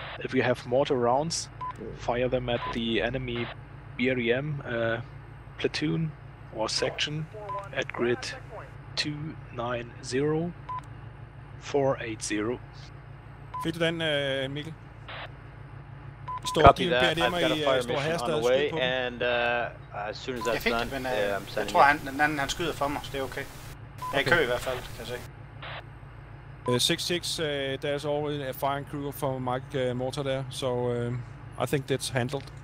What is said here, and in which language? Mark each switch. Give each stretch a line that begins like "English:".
English: If you have mortar rounds, fire them at the enemy BREM platoon or section at grid 290-480.
Danish: Fik du den, Mikkel?
English: Copy that. I've got a fire mission on the way, and as soon as that's done, I'm sending it.
Danish: Jeg tror, han, den anden han skyder for mig, så det er okay. Jeg kører i hvert fald, kan jeg se.
English: 66, there's already a firing crew for Mike Mortar there, so I think that's handled.